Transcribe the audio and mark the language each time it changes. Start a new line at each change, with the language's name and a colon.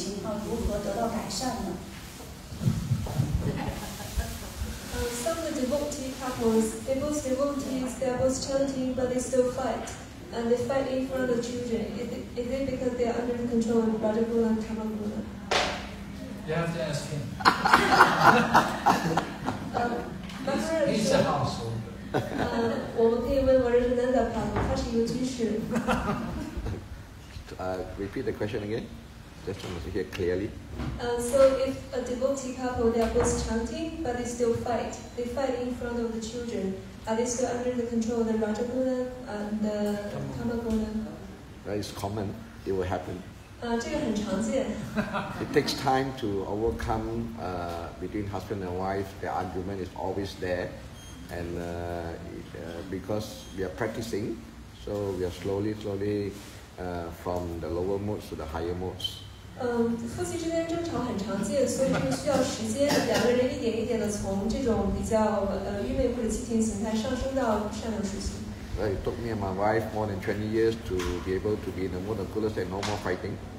Chinese: 奉献者夫妻他们就是也在念诵也在唱诵但是会有经常吵架或者当着孩子特别是当着孩子会经常吵架是不是他们这种情况也是受愚昧属性或者畸形属性的控制呢那这种情况如何得到改善呢
English: Some of the devotee couples, they both devotees, they are both chanting but they still fight. And they fight in front of the children. Is it because they are under the control of Radhakula and Tamakula? You have to ask him. He's a householder. We can ask Rajananda Prabhu, he is a teacher. Repeat the question again. Just want to hear clearly. So if a devotee couple, they are both chanting, but they still fight. They fight in front of the children. Are they still under the control of the Rajaguna and the Tamaguna? That is common. It will happen. It takes time to overcome between husband and wife. The argument is always there. And because we are practicing, so we are slowly from the lower modes to the higher modes.
Chinese: 夫妻之间争吵很常见，所以这个需要时间。两个人一点一点的从这种比较愚昧或者畸形形态上升到善良属性。
English: It took me and my wife more than 20 years to be able to be in the mode of coolness and no more fighting.